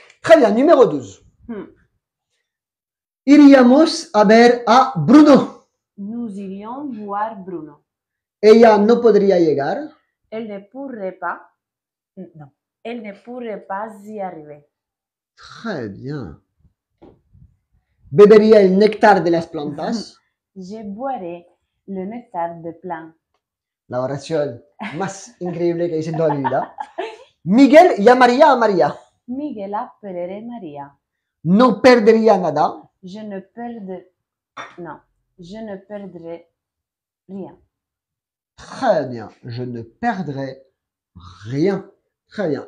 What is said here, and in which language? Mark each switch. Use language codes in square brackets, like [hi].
[fr] Très bien, numéro 12. [es] Iríamos a ver a Bruno. [fr] Nous irions voir Bruno. [es] Ella no podría llegar. [fr] Elle ne pourrait pas. Non. Elle ne pourrait pas y arriver. Très bien. [es] Bebería el néctar de las plantas. [fr] Je boirai le néctar de plantes. [es] La oración más increíble que hice en toda mi vida. Miguel llamaría a María. [fr] Miguel appellerait María. [es] No perdería nada. [fr] Je ne perdre. Non. Je ne perdrai rien. Très bien. Je ne perdrai rien. Très bien.